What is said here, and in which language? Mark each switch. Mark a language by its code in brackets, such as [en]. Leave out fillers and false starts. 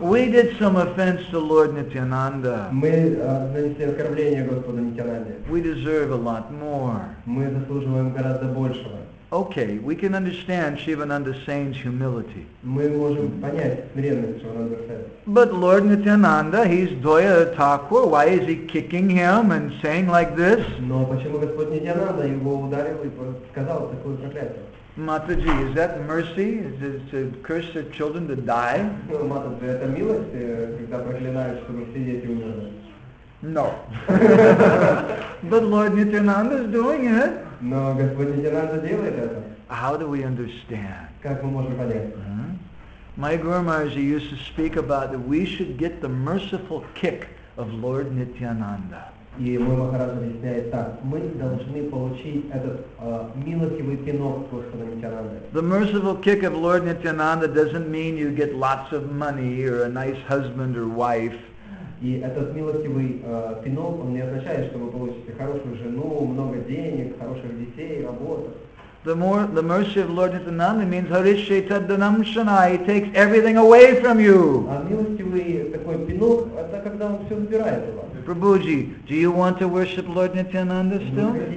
[en] We did some offense to Lord Nityananda. [ru] Мы нанесли оскорбление Господу Нитянанде. [en] We deserve a lot more. [ru] Мы заслуживаем гораздо большего. [en] Okay, we can understand Шивананда Сейн's humility. [ru] Мы можем понять смиренность Шивананда Сейна. [en] But Lord Nityananda, he's Dvaita Thakur. Why is he kicking him and saying like this? [ru] Но почему Господь Нитянанда его ударил и сказал такое проклятие? [en] Mataji, is that mercy? Is it to curse the children to die? [ru] Well, Mataji, это милость, когда проклинают, чтобы все дети умерли. [en] No. But Lord Nityananda is doing it. [ru] Но Господь Нитянанда делает это. [en] How do we understand? [ru] Как мы можем понять? [en] My Guru Maharaj used to speak about that we should get the merciful kick of Lord Nityananda. [ru] И мой Махарадж объясняет так. Мы должны получить этот милостивый пинок Господа Нитянанды. [en] The merciful kick of Lord Nityananda doesn't mean you get lots of money or a nice husband or wife. [ru] И этот милостивый пинок, он не означает, что вы получите хорошую жену, много денег, хороших детей, работу. [en] The mercy of Lord Nityananda means [sa] Harishe Taddanam Shana, [en] he takes everything away from you. [ru] А милостивый такой пинок, это когда он все забирает у вас. [en] Prabhuji, do you want to worship Lord Nityananda still?